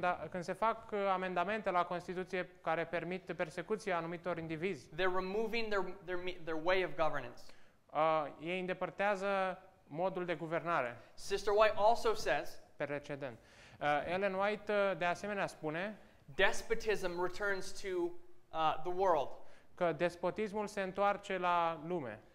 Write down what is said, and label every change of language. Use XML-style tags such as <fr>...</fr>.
<ro>când se fac amendamente la Constituție care permit persecuția anumitor indivizi,</ro> <en>they're removing their way of governance.</en> <ro>Ei îndepărtează modul de guvernare.</ro> <en>Sister White also says,</en> <ro>precedent. Ellen White de asemenea spune,</ro> <en>despotism returns to the world.</en> <ro>Că despotismul se întoarce la lume.</ro>